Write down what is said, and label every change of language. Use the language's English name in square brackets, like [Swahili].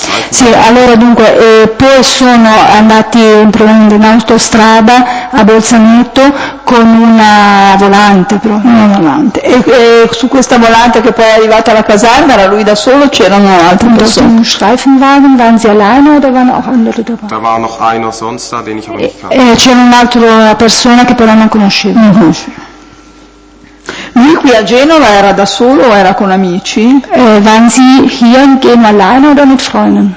[Italian] Sì, allora dunque, poi sono andati in autostrada a Bolzaneto con una volante, però. Una volante. E su questa volante che poi è arrivata alla caserma, era lui da solo, c'erano altre persone? [German] Un Streifenwagen, waren Sie alleine oder waren auch andere dabei? Da war noch einer sonst da, den ich aber nicht kannte. [Italian] C'era un'altra persona che però non conoscevo. Lui qui a Genova era da solo o era con amici? [German] Waren Sie hier in Genova alleine oder mit Freunden?